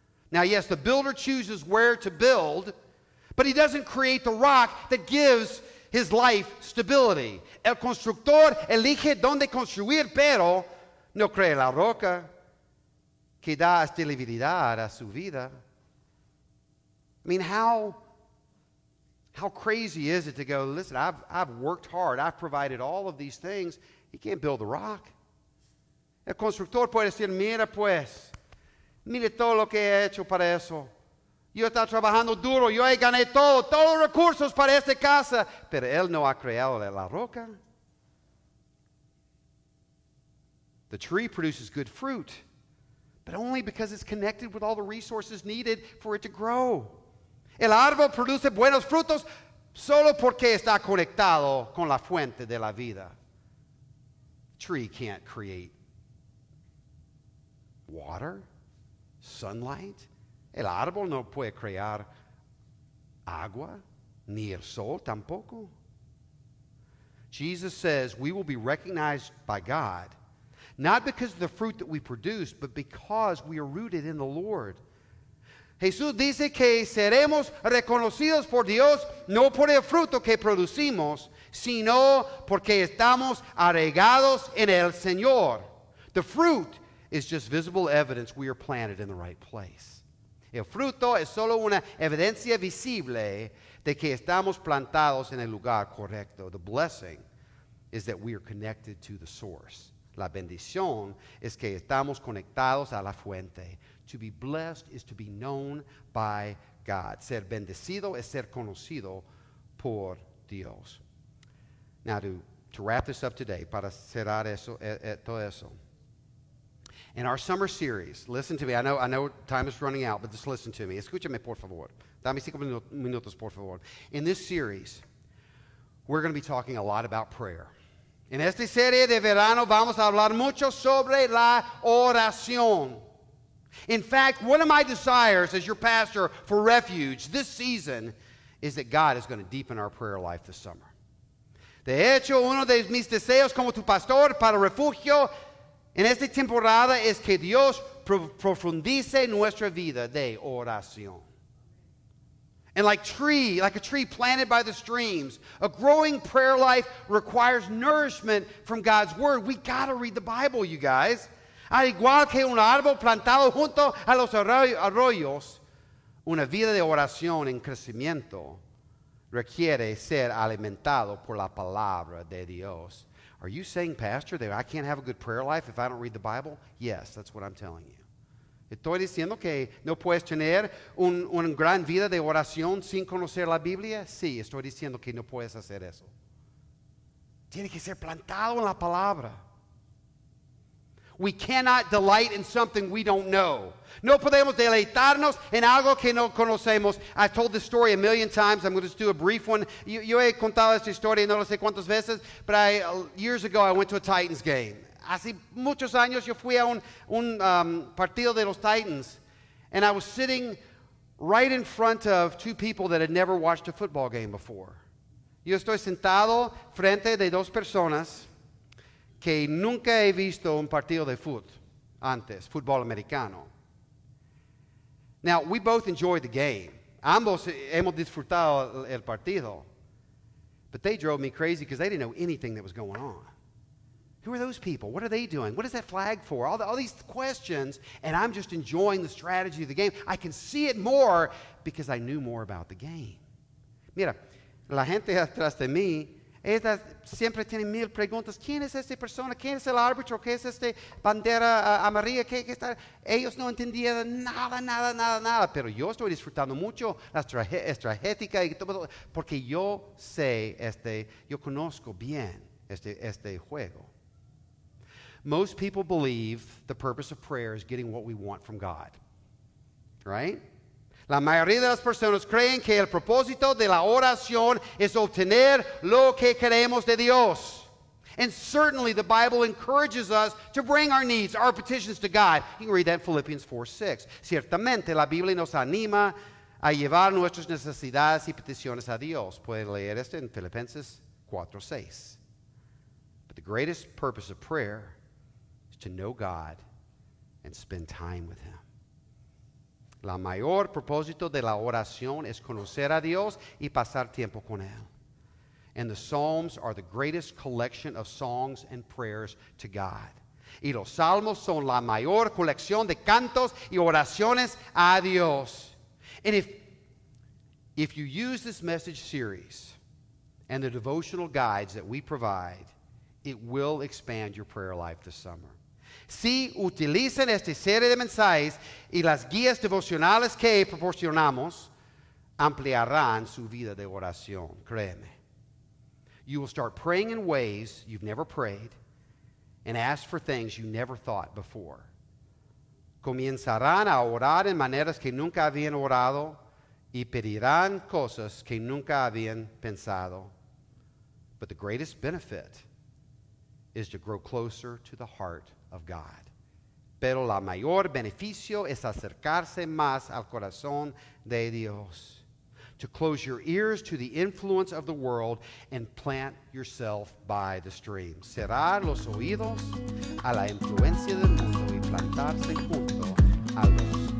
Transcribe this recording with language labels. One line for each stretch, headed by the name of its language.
English: Now, yes, the builder chooses where to build, but he doesn't create the rock that gives his life stability.
Spanish: El constructor elige dónde construir, pero no crea la roca que da estabilidad a su vida.
English: I mean, how crazy is it to go, listen, I've worked hard. I've provided all of these things. He can't build a rock.
Spanish: El constructor puede decir, mira pues, mire todo lo que he hecho para eso. Yo he estado trabajando duro. Yo he ganado todos los recursos para esta casa. Pero él no ha creado la roca.
English: The tree produces good fruit, but only because it's connected with all the resources needed for it to grow.
Spanish: El árbol produce buenos frutos solo porque está conectado con la fuente de la vida.
English: Tree can't create water, sunlight.
Spanish: El árbol no puede crear agua, ni el sol tampoco.
English: Jesus says we will be recognized by God, not because of the fruit that we produce, but because we are rooted in the Lord.
Spanish: Jesús dice que seremos reconocidos por Dios no por el fruto que producimos, sino porque estamos arraigados en el Señor.
English: The fruit is just visible evidence we are planted in the right place.
Spanish: El fruto es solo una evidencia visible de que estamos plantados en el lugar correcto.
English: The blessing is that we are connected to the source.
Spanish: La bendición es que estamos conectados a la fuente.
English: to be blessed is to be known by God.
Spanish: Ser bendecido es ser conocido por Dios.
English: Now to wrap this up today,
Spanish: para cerrar eso, todo eso.
English: In our summer series, listen to me. I know time is running out, but just listen to me.
Spanish: Escúchame, por favor. Dame 5 minutos, por favor.
English: In this series, we're going to be talking a lot about prayer.
Spanish: En esta serie de verano, vamos a hablar mucho sobre la oración.
English: In fact, one of my desires as your pastor for Refuge this season is that God is going to deepen our prayer life this summer.
Spanish: De hecho, uno de mis deseos como tu pastor para Refugio en esta temporada es que Dios profundice nuestra vida de oración.
English: And like a tree planted by the streams, a growing prayer life requires nourishment from God's word. We got to read the Bible, you guys.
Spanish: Al igual que un árbol plantado junto a los arroyos, una vida de oración en crecimiento requiere ser alimentado por la palabra de Dios.
English: Are you saying, Pastor, that I can't have a good prayer life if I don't read the Bible? Yes, that's what I'm telling you.
Spanish: Estoy diciendo que no puedes tener una gran vida de oración sin conocer la Biblia. Sí, estoy diciendo que no puedes hacer eso. Tiene que ser plantado en la palabra.
English: We cannot delight in something we don't know.
Spanish: No podemos deleitarnos en algo que no conocemos.
English: I've told this story a million times. I'm going to just do a brief one.
Spanish: Yo he contado esta historia no sé cuántas veces,
English: but years ago I went to a Titans game.
Spanish: Hace muchos años yo fui a un partido de los Titans,
English: and I was sitting right in front of two people that had never watched a football game before.
Spanish: Yo estoy sentado frente de dos personas que nunca he visto un partido de fútbol antes, fútbol americano.
English: Now, we both enjoyed the game.
Spanish: Ambos hemos disfrutado el partido.
English: But they drove me crazy because they didn't know anything that was going on. Who are those people? What are they doing? What is that flag for? All these questions, and I'm just enjoying the strategy of the game. I can see it more because I knew more about the game.
Spanish: Mira, la gente atrás de mí, ella siempre tiene mil preguntas. ¿Quién es esta persona? ¿Quién es el árbitro? ¿Qué es esta bandera amarilla? ¿Qué está? Ellos no entendían nada, nada, nada, nada. Pero yo estoy disfrutando mucho la estratégica y todo, porque yo sé, yo conozco bien este juego.
English: Most people believe the purpose of prayer is getting what we want from God, right?
Spanish: La mayoría de las personas creen que el propósito de la oración es obtener lo que queremos de Dios.
English: And certainly the Bible encourages us to bring our needs, our petitions to God. You can read that in Philippians 4:6.
Spanish: Ciertamente la Biblia nos anima a llevar nuestras necesidades y peticiones a Dios. Puede leer esto en Filipenses 4:6.
English: But the greatest purpose of prayer is to know God and spend time with Him.
Spanish: La mayor propósito de la oración es conocer a Dios y pasar tiempo con Él.
English: And the Psalms are the greatest collection of songs and prayers to God.
Spanish: Y los Salmos son la mayor colección de cantos y oraciones a Dios.
English: And if you use this message series and the devotional guides that we provide, it will expand your prayer life this summer.
Spanish: Si utilizan esta serie de mensajes y las guías devocionales que proporcionamos, ampliarán su vida de oración, créeme.
English: You will start praying in ways you've never prayed and ask for things you never thought before.
Spanish: Comenzarán a orar en maneras que nunca habían orado y pedirán cosas que nunca habían pensado.
English: But the greatest benefit is to grow closer to the heart of God.
Spanish: Pero la mayor beneficio es acercarse más al corazón de Dios.
English: To close your ears to the influence of the world and plant yourself by the stream.
Spanish: Cerrar los oídos a la influencia del mundo y plantarse junto a los